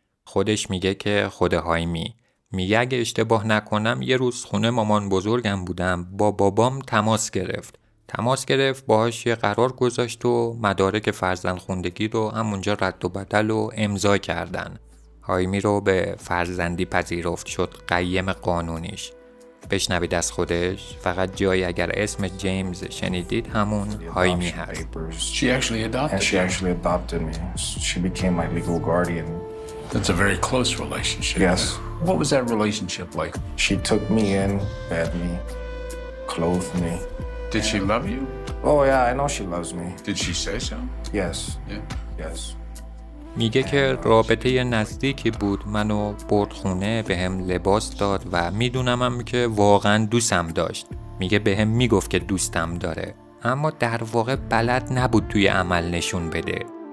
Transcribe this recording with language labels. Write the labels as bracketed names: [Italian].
[Persian] خودش میگه که خود هایمی میگه اگه اشتباه نکنم یه روز خونه مامان بزرگم بودم، با بابام تماس گرفت باهاش یه قرار گذاشت و مدارک فرزند خوندگی رو همونجا رد و بدل و امضا کردن. هایمی رو به فرزندی پذیرفت، شد قیم قانونیش. بشنوید از خودش، فقط جایی اگر اسم جیمز شنیدید همون هایمی هست. [English] She actually adopted me. She became my legal guardian. That's a very close relationship. Yes. What was that relationship like? She took me in, fed me, clothed me. Did she love you? Oh yeah, I know she loves me. Did she say so? Yes. Yeah. Yes. [Persian] میگه که رابطه نزدیکی بود، منو برد خونه، به هم لباس داد و میدونمم که واقعا دوستم داشت. میگه به هم میگفت که دوستم داره، اما در واقع بلد نبود توی عمل نشون بده.